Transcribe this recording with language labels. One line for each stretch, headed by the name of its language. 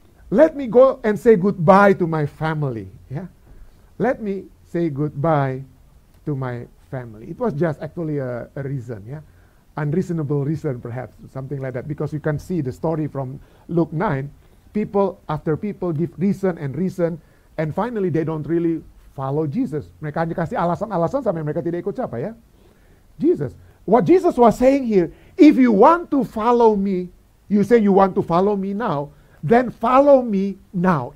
English: Let me go and say goodbye to my family. Yeah, let me say goodbye to my family. It was just actually a reason, yeah. Unreasonable reason, perhaps, something like that. Because you can see the story from Luke 9. People after people give reason and reason. And finally, they don't really follow Jesus.
Indonesian: Mereka hanya kasih alasan-alasan sampai mereka tidak ikut siapa, ya?
English: Jesus. What Jesus was saying here, if you want to follow me, you say you want to follow me now, then follow me now.